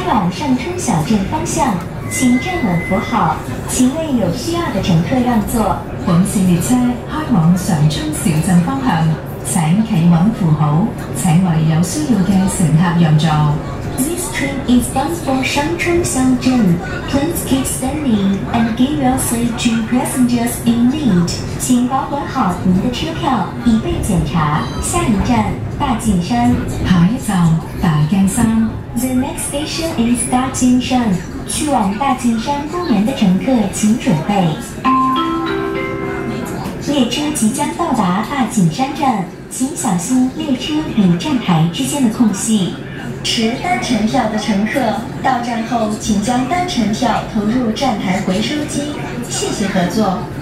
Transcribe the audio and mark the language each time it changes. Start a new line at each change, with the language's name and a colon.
Chinese: 上春小镇方向，请站稳扶好，请为有需要的乘客让座。本次列车开往上春小镇方向，请企稳扶好，请为有需要的乘客让座。
English: This train is bound for 上春小镇。 Please keep standing and give your seat to passengers in need.
Chinese: 请保管好您的车票，以备检查。下一站，大景山。下一站，大景山。
English: The next station is 大景山。
Chinese: 去往大景山公园的乘客请准备。列车即将到达大景山站，请小心列车与站台之间的空隙。持单程票的乘客到站后请将单程票投入站台回收机，谢谢合作。